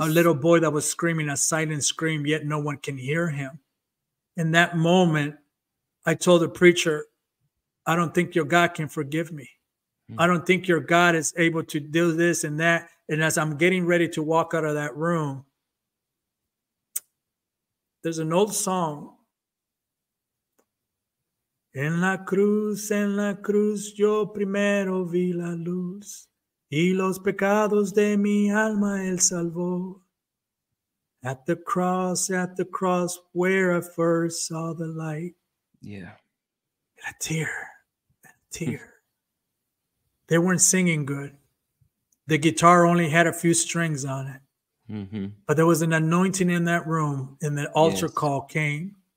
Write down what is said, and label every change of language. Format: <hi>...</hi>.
<en>A little boy that was screaming a silent scream, yet no one can hear him. In that moment, I told the preacher, I don't think your God can forgive me. I don't think your God is able to do this and that. And as I'm getting ready to walk out of that room, there's an old song.</en> <es>En la cruz, yo primero vi la luz. Y los pecados de mi alma él salvó.</es> <en>At the cross, where I first saw the light. Yeah. And a tear, and a tear. They weren't singing good. The guitar only had a few strings on it. Mm-hmm. But there was an anointing in that room, and the altar call came.</en>